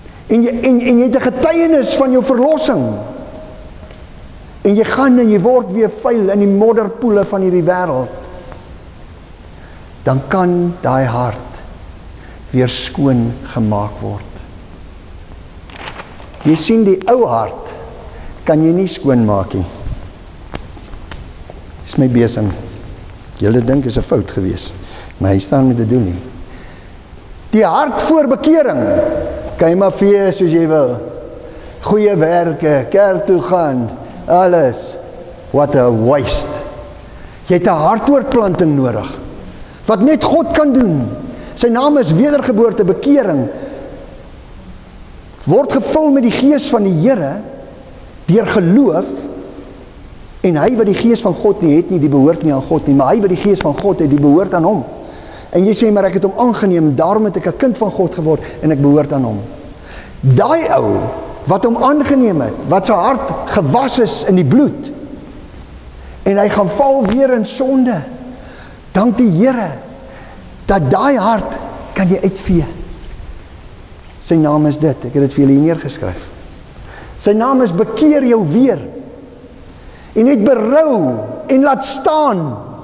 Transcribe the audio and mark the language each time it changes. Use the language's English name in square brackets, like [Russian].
[Afrikaans] En jy het een getuienis van jou verlossing. En jy gaan en jy word weer vuil in die modderpoele van hierdie wêreld. Dan kan die hart weer skoon gemaak word. Jy sien die ou hart, kan jy nie skoon maak nie. Dis my besing. Julle dink is 'n fout gewees, maar hy staan met te doen nie. Die hart voor bekering, kan jy maar vee soos jy wil. Goeie werke, kerk toe gaan, alles. [English] What a waste. [Afrikaans] Jy het 'n hartoortplanting nodig, wat net God kan doen. Sy naam is wedergeboorte, bekering. Word gevul met die gees van die Here deur geloof en hy wat die gees van God nie het nie, die behoort nie aan God nie, maar hy wat die gees van God het, die behoort aan hom. En jy sê, maar ek het hom aangeneem, daarom het ek 'n kind van God geword en ek behoort aan hom. Daai ou wat hom aangeneem het, wat sy hart gewas is in die bloed en hy gaan val weer in sonde, dank die Here dat daai hart kan jy uitvee. Sy naam is dit, ek het dit vir julle neergeskryf. Sy naam is bekeer jou weer. En het berou en laat staan.